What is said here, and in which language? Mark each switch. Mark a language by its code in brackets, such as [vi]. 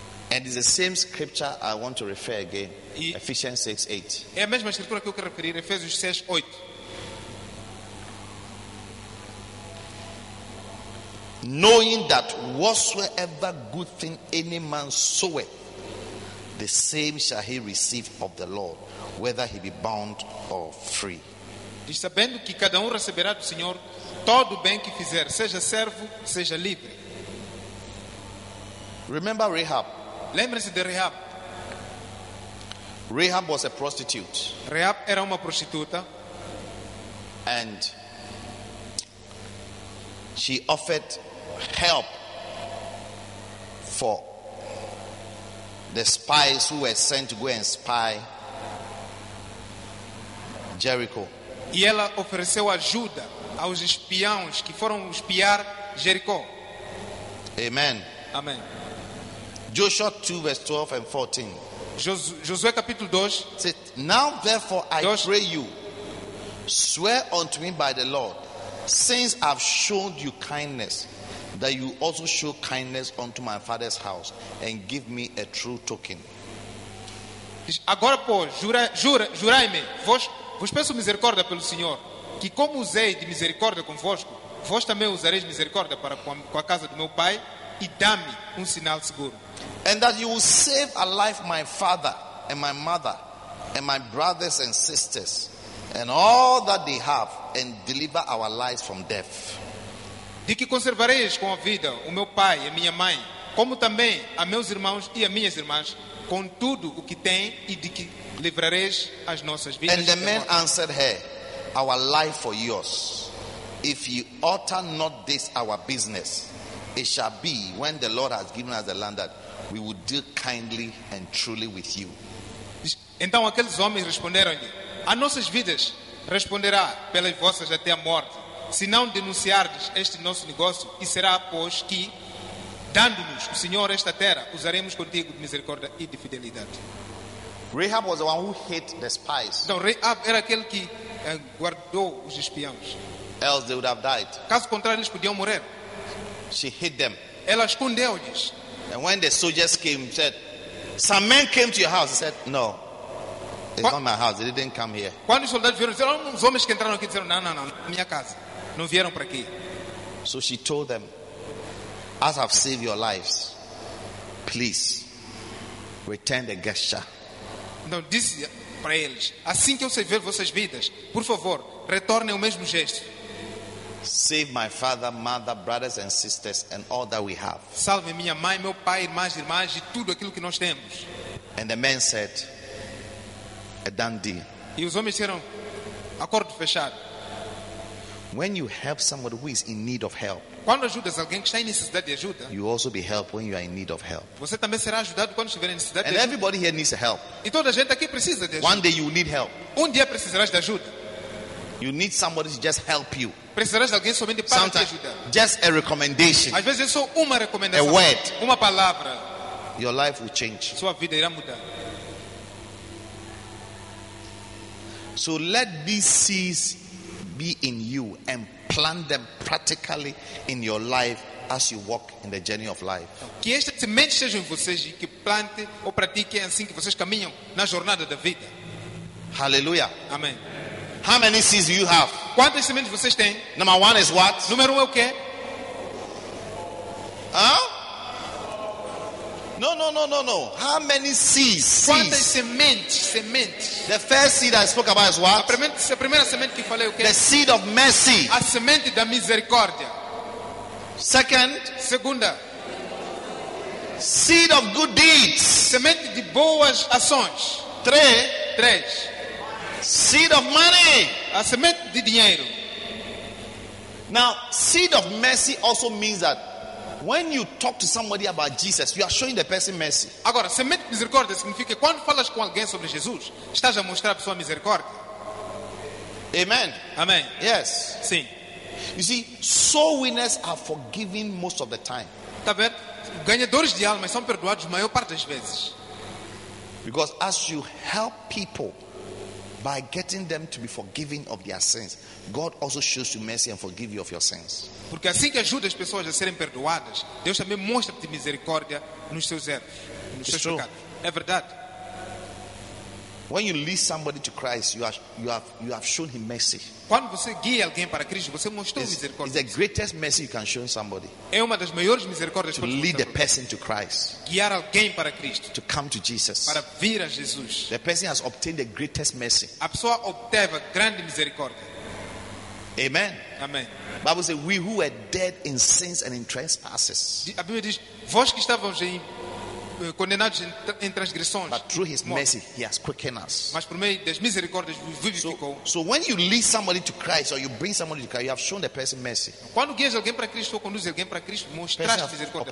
[en] And it's the same scripture I want to refer again. Ephesians 6:8. [pt] É a mesma escritura que eu quero referir, Efésios 6:8. [en] Knowing that whatsoever good thing any man soweth, the same shall he receive of the Lord, whether he be bound or free. [pt] Diz, sabendo que cada receberá do Senhor todo o bem que fizer, seja servo, seja livre. [en] Remember Rahab. [pt] Lembre-se de Rahab. [en] Rahab was a prostitute. [pt] Rahab era uma prostituta. [en] And She offered help for the spies who were sent to go and spy Jericho. [pt] E ela ofereceu ajuda aos espiões que foram espiar Jericó. [en] Amen. [pt] Amém. [en] Joshua 2 verse 12 and 14. [pt] Josué capítulo 2. [en] Said, now therefore I pray you, swear unto me by the Lord, since I've shown you kindness, that you also show kindness unto my father's house and give me a true token. [pt] Agora pois, jurai-me, vos peço misericórdia pelo Senhor, que como usei de misericórdia convosco, vós também usareis misericórdia para com a casa do meu pai e dá-me sinal seguro. [en] And that you will save alive my father and my mother and my brothers and sisters and all that they have and deliver our lives from death. [pt] De que conservareis com a vida o meu pai e a minha mãe, como também a meus irmãos e a minhas irmãs, com tudo o que têm e de que livrareis as nossas vidas. [en] And the man answered her, our life for yours. If you utter not this our business, it shall be when the Lord has given us the land that we will deal kindly and truly with you. [pt] Então aqueles homens responderam-lhe, as nossas vidas responderá pelas vossas até a morte, se não denunciardes este nosso negócio, e será, pois, que, dando-nos o Senhor esta terra, usaremos contigo de misericórdia e de fidelidade. [en] Rahab was the one who hid the spies. [pt] Então, Rahab era aquele que guardou os espiões. [en] Else they would have died. [pt] Caso contrário, eles podiam morrer. [en] She hid them. [pt] Ela escondeu-lhes. [en] And when the soldiers came, said, some men came to your house. He said, no. It's not my house. They didn't come here. [pt] Quando os soldados vieram, disseram, os homens que entraram aqui disseram, não, minha casa. Não vieram para aqui. [en] So she told them, as I've saved your lives, please return the gesture. [pt] Então disse para eles, assim que eu servir vossas vidas, por favor, retornem o mesmo gesto. [en] Save my father, mother, brothers and sisters and all that we have. [pt] Salve minha mãe, meu pai, irmãs e tudo aquilo que nós temos. [en] And the man said, a done deal. [pt] E os homens disseram, acordo fechado. [en] When you help somebody who is in need of help, [pt] quando ajudas alguém que está em necessidade de ajuda, [en] you also be helped when you are in need of help. [pt] Você também será ajudado quando estiver em necessidade [en] and [pt] de ajuda. [en] And everybody here needs help. [pt] E toda a gente aqui precisa de ajuda. [en] One day you need help. [pt] Dia precisarás de ajuda. [en] You need somebody to just help you. [pt] Precisarás de alguém somente para te ajudar. [en] Just a recommendation. [pt] Às vezes é só uma recomendação. [en] A word. [pt] Uma palavra. [en] Your life will change. [pt] Sua vida irá mudar. [en] So let these seeds be in you and plant them practically in your life as you walk in the journey of life. [pt] Que esta semente seja em vocês e que plante ou pratique assim que vocês caminham na jornada da vida. [en] Hallelujah. [pt] Amém. [en] How many seeds do you have? [pt] Quantas sementes vocês têm? [en] Number one is what? [pt] Número um é o quê? [en] Huh? No. How many seeds? [pt] Quantas sementes? [en] The first seed I spoke about is what? [pt] A primeira semente que falei, o quê? [en] The seed of mercy. [pt] A semente da misericórdia. [en] Second. [pt] Segunda. [en] Seed of good deeds. [pt] Semente de boas ações. Três. [en] Seed of money. [pt] A semente de dinheiro. [en] Now, seed of mercy also means that when you talk to somebody about Jesus, you are showing the person mercy. [pt] Agora, semente de misericórdia significa que quando falas com alguém sobre Jesus, estás a mostrar a pessoa misericórdia. [en] Amen. [pt] Amém. [en] Yes. [pt] Sim. [en] You see, soul winners are forgiven most of the time. [pt] Tá vendo? Ganhadores de almas são perdoados a maior parte das vezes. [en] Because as you help people, by getting them to be forgiven of their sins, God also shows you mercy and forgive you of your sins. [pt] Porque assim que ajuda as pessoas a serem perdoadas, Deus também mostra-te misericórdia nos seus erros, nos seus pecados. É verdade. [en] When you lead somebody to Christ, you have shown him mercy. [pt] Quando você guia alguém para Cristo, você mostrou misericórdia. [en] It's the greatest mercy you can show somebody. [pt] É uma das maiores misericórdias que você pode mostrar. [en] To lead a person to Christ. [pt] Guiar alguém para Cristo. [en] To come to Jesus. [pt] Para vir a Jesus. [en] The person has obtained the greatest mercy. [pt] A pessoa obteve a grande misericórdia. [en] Amen. [pt] Amém. [en] Bible says, we who were dead in sins and in trespasses. [pt] A Bíblia diz, vós que estávamos em condenados em transgressões. [en] But through his mercy, he has quickened us. [pt] Mas por meio das misericórdias vivificou. [en] So when you lead somebody to Christ or you bring somebody to Christ, you have shown the person mercy. [pt] Quando guias alguém para Cristo ou conduz alguém para Cristo, mostraste misericórdia.